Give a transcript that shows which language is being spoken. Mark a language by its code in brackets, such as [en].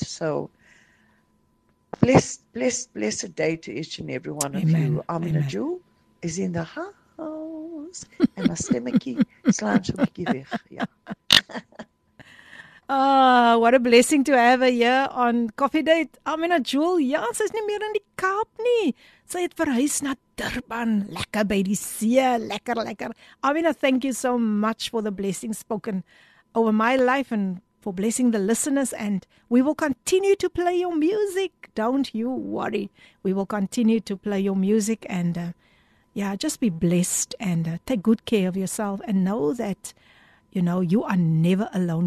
[en] So blessed day to each and every one of Amen. You. Amen. Amina Jewel is in the house. And my stomachy, slant shall be given. Yeah. What a blessing to have her here on Coffee Date. [af] Amina Jewel, ja, sy is nie meer in die Kaap nie. Sy het verhuis na Durban, lekker by die see, lekker, lekker. [en] Amina, thank you so much for the blessing spoken over my life and for blessing the listeners. And we will continue to play your music. Don't you worry. We will continue to play your music and yeah, just be blessed and take good care of yourself and know that you know, you are never alone.